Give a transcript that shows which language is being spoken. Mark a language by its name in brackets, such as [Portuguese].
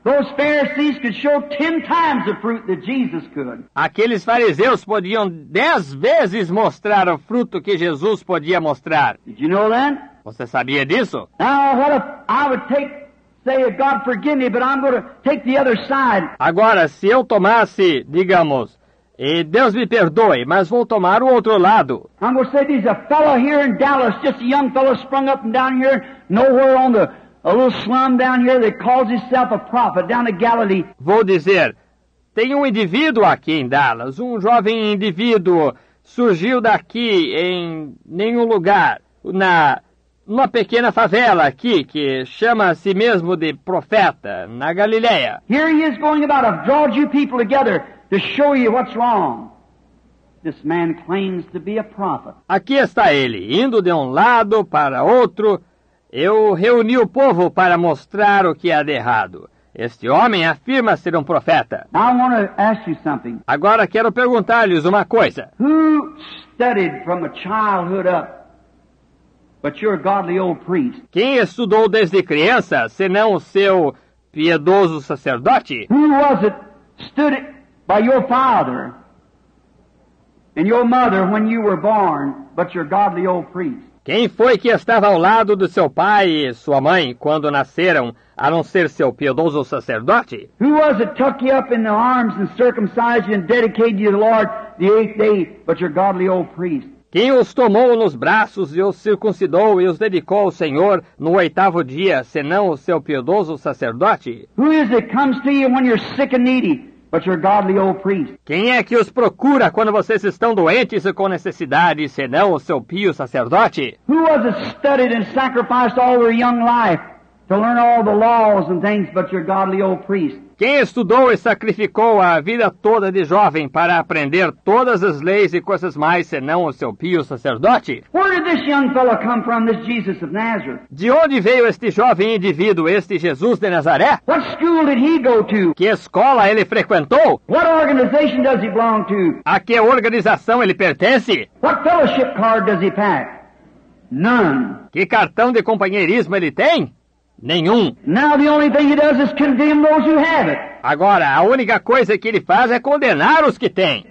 [English] Those Pharisees could show 10 times the fruit that Jesus could. [Portuguese] Aqueles fariseus podiam 10 vezes mostrar o fruto que Jesus podia mostrar. [English] Did you know that? [Portuguese] Você sabia disso? [English] Now, what if I would take, say, if God forgive me, but I'm going to take the other side. [Portuguese] Agora, se eu tomasse, digamos, E Deus me perdoe, mas vou tomar o outro lado. [English] I'm going to say there's a fellow here in Dallas, just a young fellow sprung up and down here, nowhere on the a little slum down here that calls himself a prophet down in Galilee. [Portuguese] Vou dizer, tem um indivíduo aqui em Dallas, um jovem indivíduo surgiu daqui em nenhum lugar, numa pequena favela aqui que chama a si mesmo de profeta na Galileia. [English] Here he is going about to draw you people together. To show you what's wrong, this man claims to be a prophet. [Portuguese] Aqui está ele, indo de um lado para outro. Eu reuni o povo para mostrar o que há de errado. Este homem afirma ser um profeta. [English] I want to ask you something. [Portuguese] Agora quero perguntar-lhes uma coisa. [English] Who studied from a childhood up, but your godly old priest? [Portuguese] Quem estudou desde criança, senão o seu piedoso sacerdote? [English] Who was it studied by your father and your mother when you were born, but your godly old priest? [Portuguese] Quem foi que estava ao lado do seu pai e sua mãe quando nasceram, a não ser seu piedoso sacerdote? [English] Who was it took you up in the arms and circumcised you and dedicated you to the Lord the eighth day, but your godly old priest? [Portuguese] Quem os tomou nos braços e os circuncidou e os dedicou ao Senhor no oitavo dia, senão o seu piedoso sacerdote? [English] Who is it comes to you when you're sick and needy? But your godly old priest. [Portuguese] Quem é que os procura quando vocês estão doentes e com necessidade, senão o seu pio sacerdote? [English] Who has studied and sacrificed all their young life to learn all the laws and things but your godly old priest? [Portuguese] Quem estudou e sacrificou a vida toda de jovem para aprender todas as leis e coisas mais, senão o seu pio sacerdote? [English] Where did this young fellow come from, this Jesus of Nazareth? [Portuguese] De onde veio este jovem indivíduo, este Jesus de Nazaré? [English] What school did he go to? [Portuguese] Que escola ele frequentou? [English] What organization does he belong to? [Portuguese] A que organização ele pertence? [English] What fellowship card does he pack? None. [Portuguese] Que cartão de companheirismo ele tem? Nenhum. [English] Now the only thing he does is condemn those who have it. [Portuguese] Agora, a única coisa que ele faz é condenar os que têm.